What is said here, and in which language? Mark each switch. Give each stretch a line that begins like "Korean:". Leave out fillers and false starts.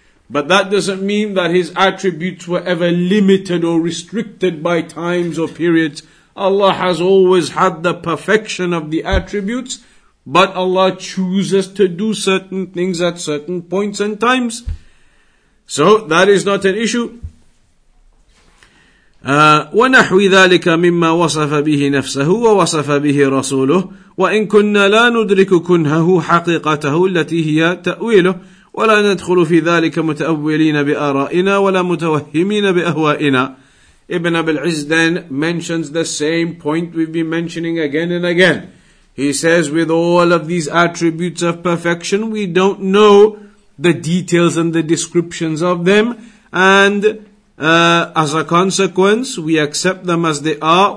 English: But that doesn't mean that His attributes were ever limited or restricted by times or periods. Allah has always had the perfection of the attributes, but Allah chooses to do certain things at certain points and times. So that is not an issue.
Arabic: ونحو ذلك مما وصف به نفسه ووصف به رسوله وإن كنا لا ندرك كنهه حقيقته التي هي تأويله ولا ندخل في ذلك متأولين بآرائنا ولا متوهمين بأهوائنا.
English: Ibn Abil Izz then mentions the same point we've been mentioning again and again. He says, with all of these attributes of perfection, we don't know the details and the descriptions of them, and as a consequence, we accept them as they are.